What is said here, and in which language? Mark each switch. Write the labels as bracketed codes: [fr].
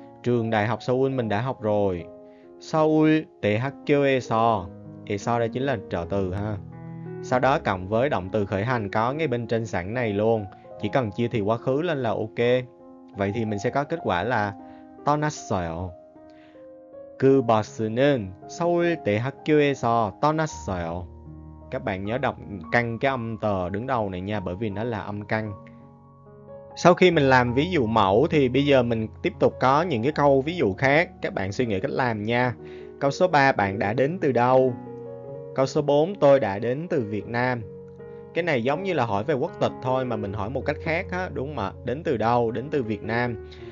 [vi] Trường Đại học Seoul mình đã học rồi. Seoul tệ hắc kêu ESO. ESO đây chính là trợ từ ha. Sau đó cộng với động từ khởi hành có ngay bên trên sẵn này luôn. Chỉ cần chia thì quá khứ lên là ok. Vậy thì mình sẽ có kết quả là 떠났어요. [ko] 그 버스는 서울 대학교에서 떠났어요. [vi] Các bạn nhớ đọc căng cái âm tờ đứng đầu này nha, bởi vì nó là âm căng. Sau khi mình làm ví dụ mẫu thì bây giờ mình tiếp tục có những cái câu ví dụ khác. Các bạn suy nghĩ cách làm nha. Câu số 3, bạn đã đến từ đâu? Câu số 4, tôi đã đến từ Việt Nam. Cái này giống như là hỏi về quốc tịch thôi, mà mình hỏi một cách khác á, đúng không ạ? Đến từ đâu? Đến từ Việt Nam.